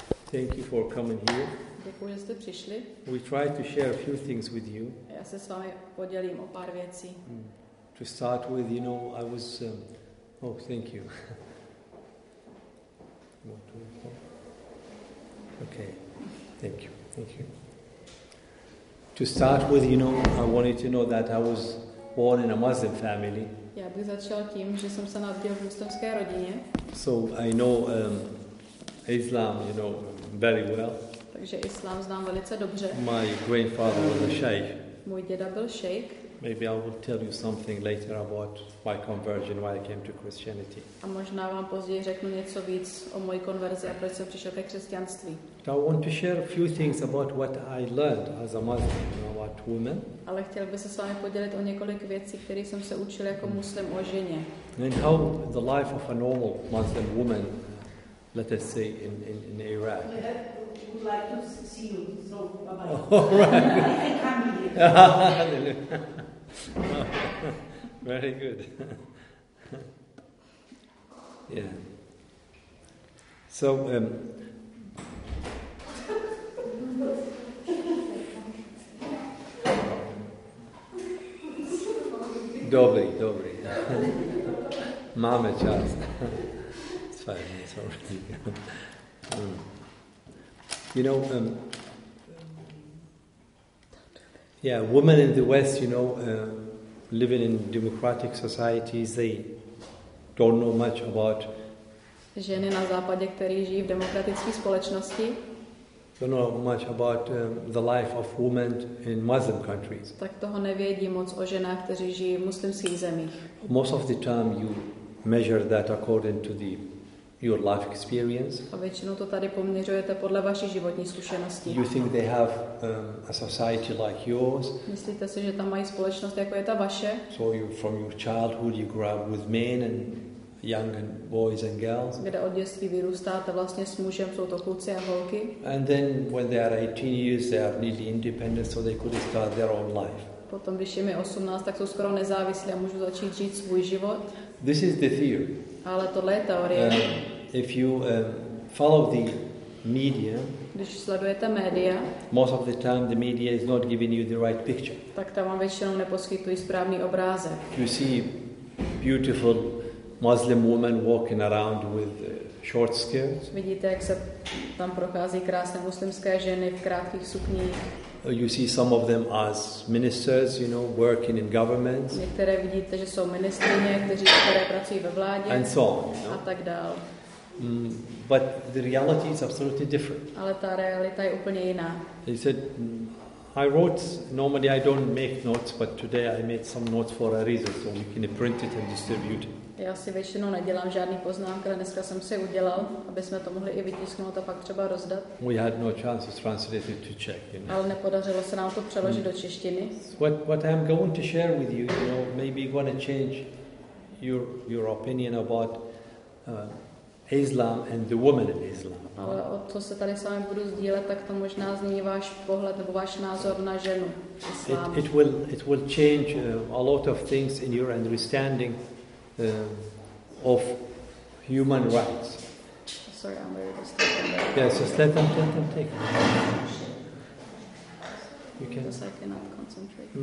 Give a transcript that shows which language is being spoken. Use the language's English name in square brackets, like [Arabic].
[English] Thank you for coming here. [Czech] Děkuji, že jste přišli. [English] We try to share a few things with you. [Czech] Já se s vámi podělím o pár věcí. [English] To start with, you know, I was thank you. Okay. Thank you. To start with, you know, I wanted to know that I was born in a Muslim family. [Czech] Já bych začal tím, že jsem se narodil v muslimské rodině. [English] So I know Islam, you know, very well. [Czech] Takže Islám znám velice dobře. [English] My grandfather was a sheikh. [Czech] Můj děda byl šejk. [English] Maybe I will tell you something later about my conversion, why I came to Christianity. [Czech] A možná vám později řeknu něco víc o mojí konverzi a proč jsem přišel ke křesťanství. [English] But I want to share a few things about what I learned as a Muslim, you know, about women. [Czech] Ale chtěl bych se s vámi podělit o několik věcí, které jsem se učil jako muslim o ženě. [English] And how the life of a normal Muslim woman, let us say, in Iraq. Would like to see you, so bye-bye. All right. Very good. Yeah. So, Dobry. [Czech] Mame čas. [English] It's 5 minutes already. You know, women in the West, you know, living in democratic societies, they don't know much about. [Czech] Ženy na západě, které žijí v demokratické společnosti. [English] Don't know much about the life of women in Muslim countries. [Czech] Tak toho nevědí moc o ženách, kteří žijí v muslimských zemích. [English] Most of the time, you measure that according to the. Your life experience. [Czech] A většinou to tady poměřujete podle vaší životní zkušenosti. [English] You think they have a society like yours? [Czech] Myslíte si, že tam mají společnost jako je ta vaše? [English] So you from your childhood you grew up with men and young and boys and girls. [Czech] Kde od dětství vyrůstáte vlastně s mužem, jsou to kluci a holky? [English] And then when they are 18 years they are nearly independent so they could start their own life. [Czech] Potom když jim je 18, tak jsou skoro nezávislí a můžou začít žít svůj život. [English] This is the theory. [Czech] Ale tohle je teorie. [English] If you follow the media, [Czech] když sledujete média, [English] most of the time the media is not giving you the right picture. [Czech] Tak tam vám většinou neposkytují správný obrázek. [English] You see beautiful Muslim woman walking around with short skirts. [Czech] Vidíte, jak se tam prochází krásné muslimské ženy v krátkých sukních. [English] You see some of them as ministers, you know, working in governments. [Czech] Některé vidíte, že jsou ministryně, které pracují ve vládě. [English] And so on, you know. [Czech] A tak dál. [English] But the reality is absolutely different. [Czech] Ale ta realita je úplně jiná. [English] He said, I wrote, normally I don't make notes, but today I made some notes for a reason, so we can print it and distribute it. [Czech] Já si většinou nedělám žádný poznámky, ale dneska jsem si udělal, aby jsme to mohli i vytisknout a pak třeba rozdat. [English] We had no chance to translate it to Czech, you know. [Czech] Ale nepodařilo se nám to přeložit do češtiny. [English] What I'm going to share with you, you know, maybe you want to change your opinion about Islam and the woman in Islam. [Czech] Ale o to se tady s vámi budu sdílet, tak to možná změní váš pohled nebo váš názor na ženu. [English] It will change a lot of things in your understanding. Of human rights. Sorry, I'm very just. Yeah, just let them take. You can. Because I cannot concentrate.